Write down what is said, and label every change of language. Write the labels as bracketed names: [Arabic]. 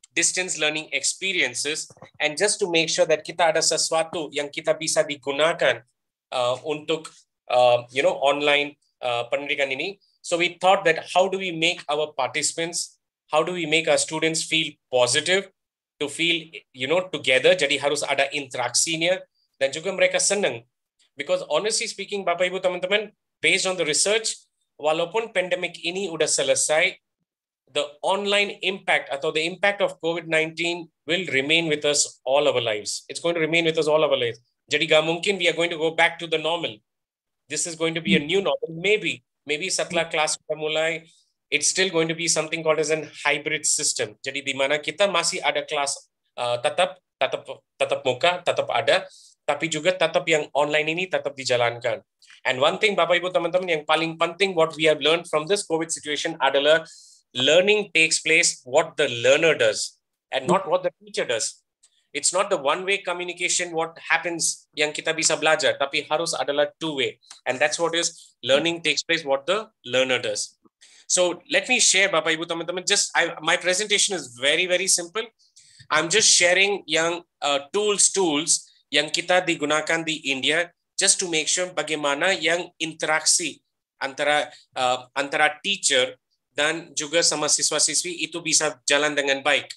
[English] distance learning experiences, and just to make sure that [Indonesian] kita ada sesuatu yang kita bisa digunakan untuk [English] you know, online pendidikan ini. So we thought that how do we make our participants, how do we make our students feel positive, to feel, you know, together. [Indonesian] Jadi harus ada interaksinya, dan juga mereka senang. [English] Because honestly speaking, Bapak Ibu teman-teman, based on the research, [Indonesian] walaupun pandemic ini udah selesai, [English] the online impact atau the impact of COVID-19 will remain with us all our lives. It's going to remain with us all our lives. [Indonesian] Jadi gak mungkin [English] we are going to go back to the normal. This is going to be a new normal. Maybe, maybe [Indonesian] setelah kelas sudah mulai, [English] it's still going to be something called as an hybrid system. [Indonesian] Jadi di mana kita masih ada kelas tetap muka, tetap ada, tapi juga tetap yang online ini tetap dijalankan. [English] And one thing, Bapak Ibu teman-teman, [Indonesian] yang paling penting [English] what we have learned from this COVID situation adalah learning takes place what the learner does and not what the teacher does. It's not the one-way communication what happens [Indonesian] yang kita bisa belajar, tapi harus adalah [English] two-way. And that's what is learning takes place what the learner does. So let me share, Bapak Ibu teman-teman, just my presentation is very, very simple. I'm just sharing [Indonesian] yang tools yang kita digunakan di India, [English] just to make sure [Indonesian] bagaimana yang interaksi antara antara teacher dan juga sama siswa-siswi itu bisa jalan dengan baik.